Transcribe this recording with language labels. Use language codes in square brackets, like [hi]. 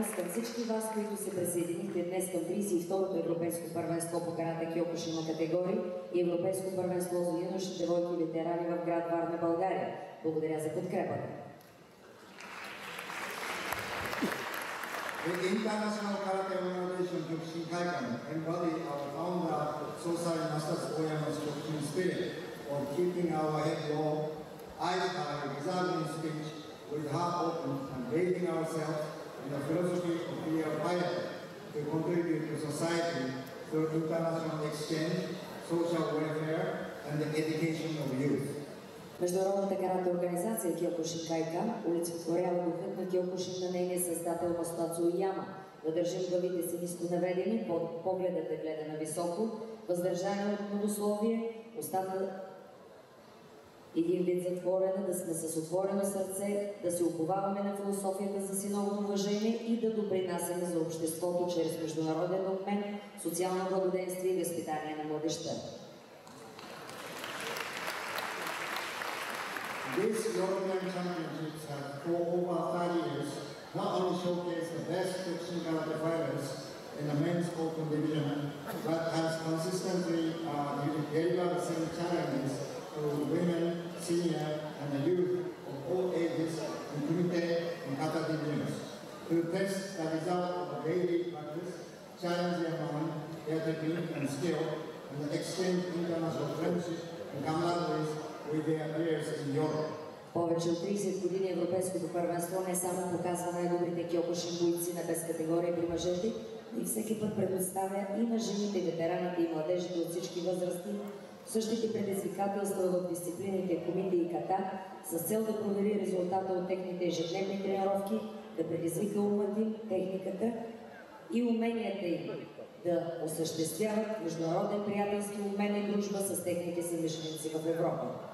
[bg] Всички вас, които се присъедините днес към 32-то Европейско първенство по карате Киокушин на категории и Европейско първенство за юноши, девойки и ветерани в град Варна, България. Благодаря за подкрепата. [en] International Karate Organization Kyokushin Kaikan embody our founder, Sosai Masatsu Oyama's Kyokushin spirit of keeping our head low, eyes high, reserving speech, with heart open and raising ourselves in the philosophy of being a fighter to contribute to society through international exchange, social welfare, and the education of youth. [bg] Международната карате организация Киокушин Кайкан олицетворява духът на Киокушин на нейния създател Масатсу Ояма. Въдържим главите си ниско наведени, под погледът да гледа нависоко, въздържане от многословие, остана един вид затворена, да сме с отворено сърце, да се уповаваме на философията за синово уважение и да допринасяме за обществото чрез международен обмен, социално благоденствие и възпитание на младеща. [en] This European Championships have for over 30 years not only showcased the best Kyokushin Karate fighters in the men's open division, but has consistently delivered the same challenges to women, senior and the youth of all ages in Kumite and Kata divisions. To test the result of the daily practice, challenge their mind, their technique and skill, and exchange international friendship and camaraderies with their peers in Europe. [bg] Повече от 30 години Европейското първенство не само показва най-добрите киокушин бойци на без категории при мъжете, но и всеки път предоставя и на жените, ветераните и младежите от всички възрасти същите предизвикателства в дисциплините кумите и ката, с цел да провери резултата от техните ежедневни тренировки, да предизвика умът им, техниката и уменията им да осъществяват международен приятелски обмен и дружба с техните си съмишленици в Европа.